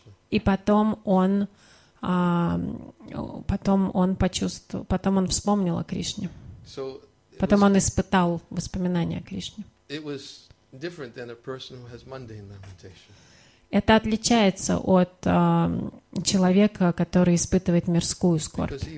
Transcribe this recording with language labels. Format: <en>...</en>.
<ru>И потом он вспомнил о Кришне. Потом он испытал воспоминания о Кришне.</ru> <en>It was different than a person who has mundane lamentation.</en> <ru>Это отличается от человека, который испытывает мирскую скорбь.</ru>